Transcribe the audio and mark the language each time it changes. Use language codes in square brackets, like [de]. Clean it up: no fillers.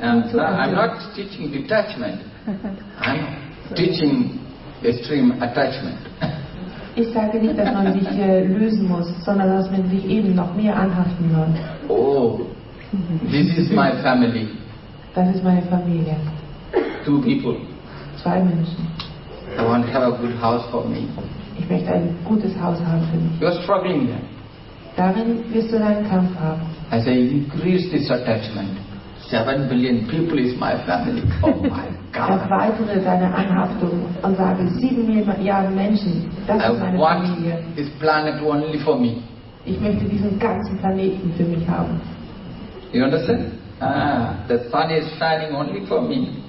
[en] I'm not teaching detachment. I'm teaching extreme attachment. [de] Ich sage nicht, dass man sich lösen muss, sondern dass man sich eben noch mehr anhaften soll. [en] Oh, this is my family. [de] Das ist meine Familie. [en] Two people. [de] Zwei Menschen. [en] I want to have a good house for me. [de] Ich möchte ein gutes Haus haben für mich. [en] You're struggling then. [de] Darin wirst du deinen Kampf haben. [en] As I increase this attachment, 7 billion people is my family. Oh my God. [de] Erweitere deine Anhaftung und sage, 7 Milliarden Menschen, das ist meine Familie. [en] I want this planet only for me. [de] Ich möchte diesen ganzen Planeten für mich haben. [en] You understand? The sun is shining only for me.